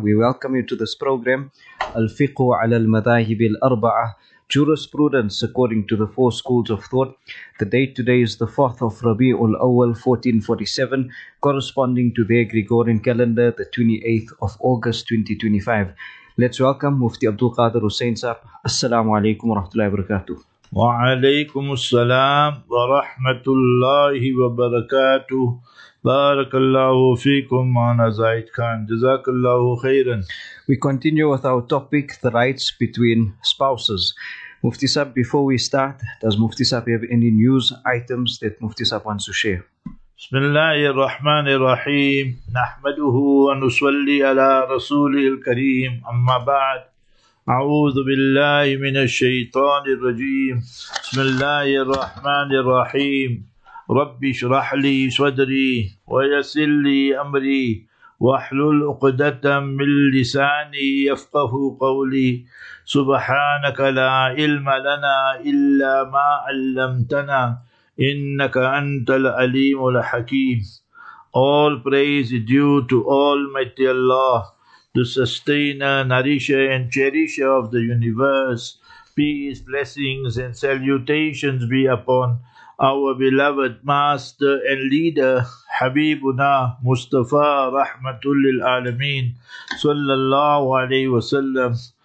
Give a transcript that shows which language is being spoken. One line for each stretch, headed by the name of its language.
English: We welcome you to this program, Al-Fiqhu ala al-Madahib al-Arba'ah, Jurisprudence according to the four schools of thought. The date today is the 4th of Rabi'ul Awal 1447, corresponding to their Gregorian calendar, the 28th of August 2025. Let's welcome Mufti Abdul Qadir Hussain Saab.
Arabic: Assalamu alaikum wa rahmatullahi wa barakatuh. وعليكم السلام ورحمة الله وبركاته. بارك الله فيكم معنا زايد كان جزاك الله خيرا.
English: We continue with our topic, the rights between spouses. Mufti Saab, before we start, does Mufti Saab have any news items that Mufti Saab wants to share?
Arabic: بسم الله الرحمن الرحيم نحمده ونصلي على رسوله الكريم أما بعد أعوذ بالله من الشيطان الرجيم بسم الله الرحمن الرحيم رب اشرح لي صدري ويسر لي أمري واحلل عقدة من لساني يفقه قولي سبحانك لا علم لنا إلا ما علمتنا إنك أنت العليم الحكيم.
English: All praise is due to Almighty Allah, the sustainer, nourisher and cherisher of the universe. Peace, blessings and salutations be upon our beloved master and leader, Habibuna Mustafa Rahmatul Lil Alameen Sallallahu Alaihi Wasallam.